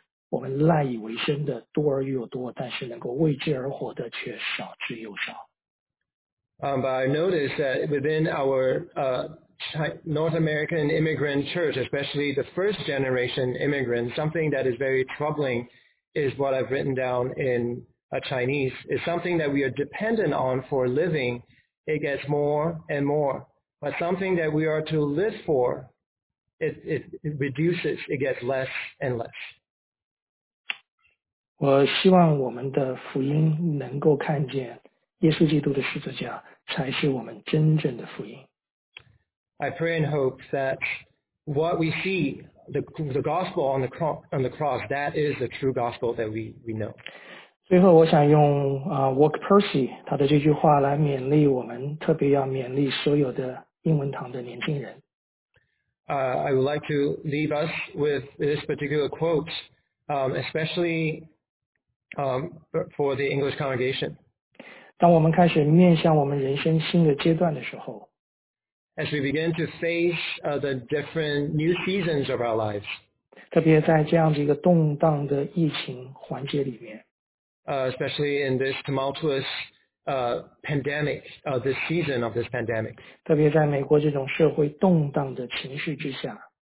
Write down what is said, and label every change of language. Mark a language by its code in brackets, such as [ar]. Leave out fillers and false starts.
[zh] 我们赖以为生的多而又多，但是能够为之而活的却少之又少。 [en] But I noticed that within our North American immigrant church, especially the first generation immigrants, something that is very troubling is what I've written down in Chinese. It's something that we are dependent on for living. It gets more and more. But something that we are to live for, it reduces, it gets less and less. [zh] 我希望我们的福音能够看见耶稣基督的十字架才是我们真正的福音。 [en] I pray and hope that what we see, the gospel on the cross, that is the true gospel that we know. [zh] 最后我想用Walk Percy 他的这句话来勉励我们，特别要勉励所有的英文堂的年轻人。 [en] I would like to leave us with this particular quote especially for the English congregation. [zh] 当我们开始面向我们人生新的阶段的时候， [en] as we begin to face the different new seasons of our lives, [zh] 特别在这样的一个动荡的疫情环节里面， [en] especially in this tumultuous pandemic, this season of this pandemic, [zh] 特别在美国这种社会动荡的情绪之下，